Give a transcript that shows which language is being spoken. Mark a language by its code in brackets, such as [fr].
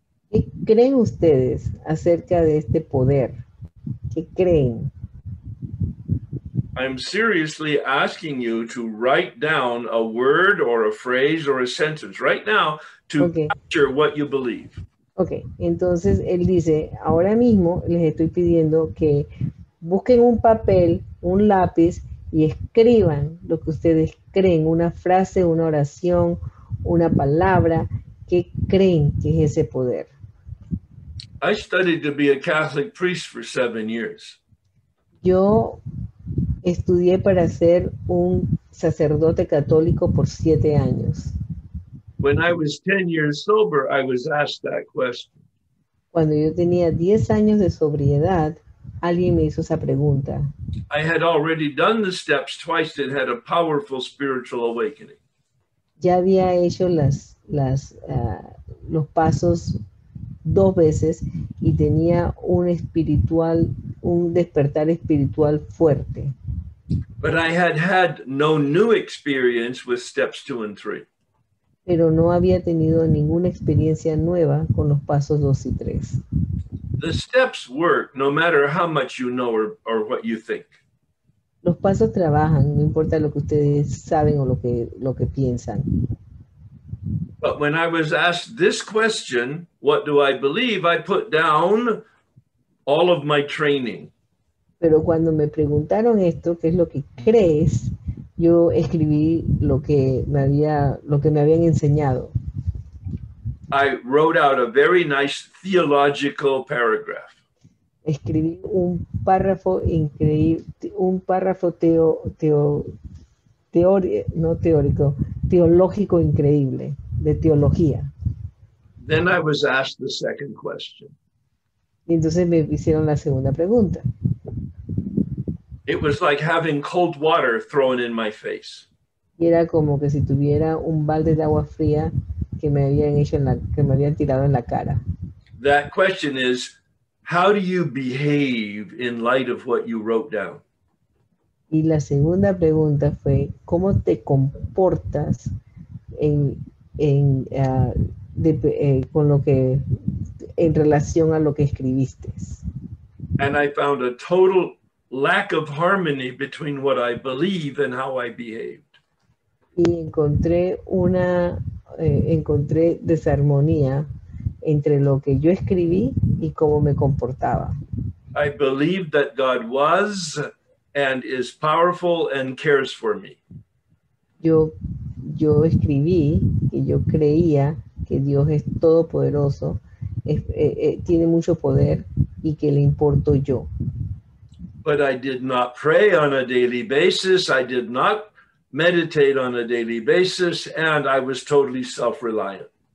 [es] ¿Qué creen ustedes acerca de este poder? ¿Qué creen? [en] I'm seriously asking you to write down a word or a phrase or a sentence right now to capture what you believe. [es] Okay, entonces él dice, ahora mismo les estoy pidiendo que busquen un papel, un lápiz y escriban lo que ustedes creen, una frase, una oración, una palabra, ¿qué creen que es ese poder? [en] I studied to be a Catholic priest for 7 years. [es] Yo estudié para ser un sacerdote católico por 7 años. [en] When I was 10 years sober, I was asked that question. [es] Cuando yo tenía 10 años de sobriedad, alguien me hizo esa pregunta. [en] I had already done the steps twice and had a powerful spiritual awakening. [es] Ya había hecho los pasos dos veces y tenía un despertar espiritual fuerte. [en] But I had had no new experience with steps 2 and 3. [es] Pero no había tenido ninguna experiencia nueva con los pasos 2 y 3. [en] The steps work no matter how much you know or what you think. [es] Los pasos trabajan, no importa lo que ustedes saben o lo que piensan. [en] But when I was asked this question, what do I believe? I put down all of my training. [es] Pero cuando me preguntaron esto, ¿qué es lo que crees? Yo escribí lo que me habían enseñado. [en] I wrote out a very nice theological paragraph. [es] Escribí un párrafo increíble, un párrafo teológico increíble, de teología. [en] Then I was asked the second question. [es] Y entonces me hicieron la segunda pregunta. [en] It was like having cold water thrown in my face. [es] Era como que si tuviera un balde de agua fría que me habían hecho que me habían tirado en la cara. [en] That question is, how do you behave in light of what you wrote down? [es] Y la segunda pregunta fue, ¿cómo te comportas en relación a lo que escribiste? [en] And I found a total lack of harmony between what I believe and how I behaved. [es] Y encontré desarmonía entre lo que yo escribí y cómo me comportaba. [en] I believed that God was and is powerful and cares for me. [es] Yo escribí y yo creía que Dios es todopoderoso, tiene mucho poder y que le importo yo. [en] But I did not pray on a daily basis, I did not meditate on a daily basis, and I was totally self-reliant.